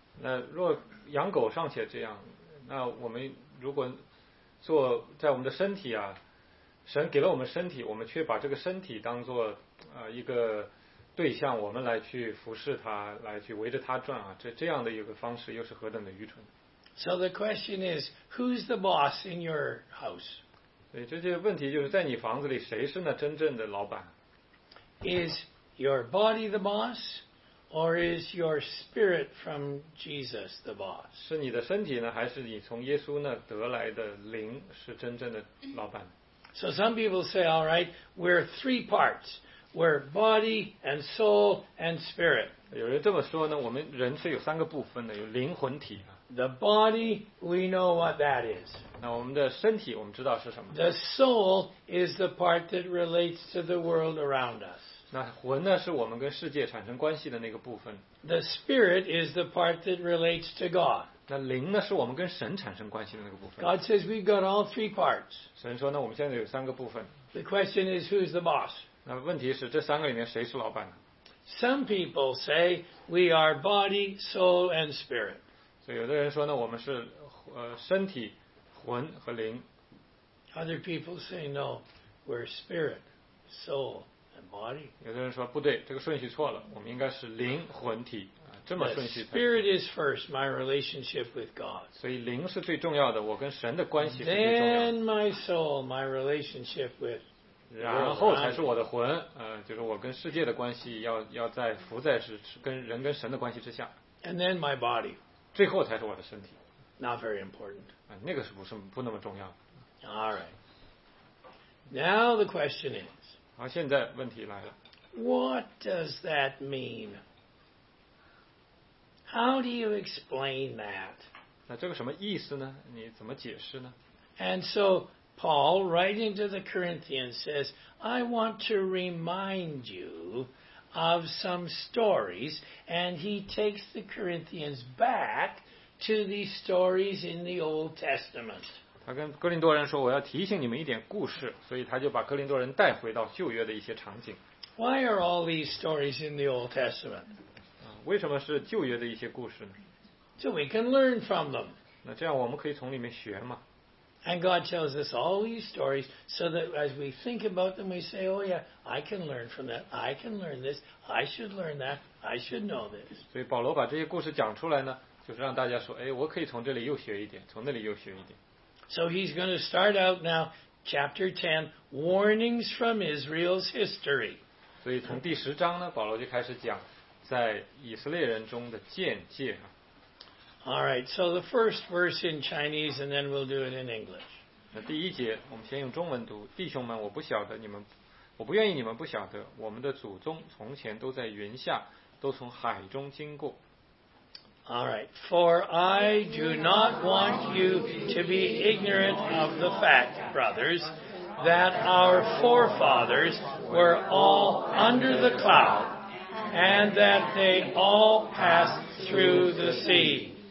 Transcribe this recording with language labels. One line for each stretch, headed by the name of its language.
Chinese: 那若养狗尚且这样，那我们如果做在我们的身体啊，神给了我们身体，我们却把这个身体当作一个对象，我们来去服侍他，来去围着他转啊，这样的一个方式又是何等的愚蠢。
English: So the question is, who's the boss in your house?
Chinese: 对，这些问题就是在你房子里谁是那真正的老板
English: ？Is your body the boss? Or is your spirit from Jesus the boss?
Chinese: 是你的身体呢，还是你从耶稣那得来的灵是真正的老板
English: ？So some people say, all right, we're three parts: we're body and soul and spirit.
Chinese: 有人这么说呢，我们人是有三个部分的，有灵魂体。
English: The body, we know what that is.
Chinese: 那我们的身体，我们知道是什么
English: ？The soul is the part that relates to the world around us.
Chinese: 那魂呢是我们跟世界产生关系的那个部分。
English: The spirit is the part that relates to God.
Chinese: 那灵呢是我们跟神产生关系的那个部分。
English: God says we've got all three parts.
Chinese: 神说呢我们现在有三个部分。
English: The question is who's the boss?
Chinese: 那问题是这三个里面谁是老板呢
English: ？Some people say we are body, soul, and spirit.
Chinese: 所以有的人说呢我们是身体、魂和灵。
English: Other people say no, we're spirit, soul.
Chinese: 有的人说不对，这个顺序错了，我们应该是灵魂体这么顺序。
English: The spirit is first, my relationship with God.
Chinese: 所以灵是最重要的，我跟神的关系是最重要的。
English: Then my soul, my relationship with.
Chinese: 然后才是我的魂，就是我跟世界的关系要在浮在是跟人跟神的关系之下。
English: And then my body.
Chinese: 最后才是我的身体。
English: Not very important.
Chinese: 那个不那么重要。
English: All right. Now the question is.
Chinese: 好，现在问题来了。
English: What does that mean? How do you explain that?
Chinese: 那这个什么意思呢？你怎么解释呢
English: ？And so Paul, writing to the Corinthians, says, "I want to remind you of some stories," and he takes the Corinthians back to these stories in the Old Testament.
Chinese: 他跟哥林多人说我要提醒你们一点故事所以他就把哥林多人带回到旧约的一些场景
English: Why are all these stories in the Old Testament?
Chinese: 为什么是旧约的一些故事呢
English: So we can learn from them
Chinese: 那这样我们可以从里面学嘛
English: And God tells us all these stories so that as we think about them we say oh yeah I can learn from that I can learn this I should learn that I should know this
Chinese: 所以保罗把这些故事讲出来呢就是让大家说哎，我可以从这里又学一点从那里又学一点
English: So he's going to start out now, chapter 10, warnings from Israel's history.
Chinese: 所以从第十章呢，保罗就开始讲在以色列人中的见解。
English: All right, so the first verse in Chinese, and then we'll do it in English.
Chinese: 那第一节，我们先用中文读。弟兄们，我不晓得你们，我不愿意你们不晓得，我们的祖宗从前都在云下，都从海中经过。
English: All right, for I do not want you to be ignorant of the fact, brothers, that our forefathers were all under the cloud, and that they all passed through the sea.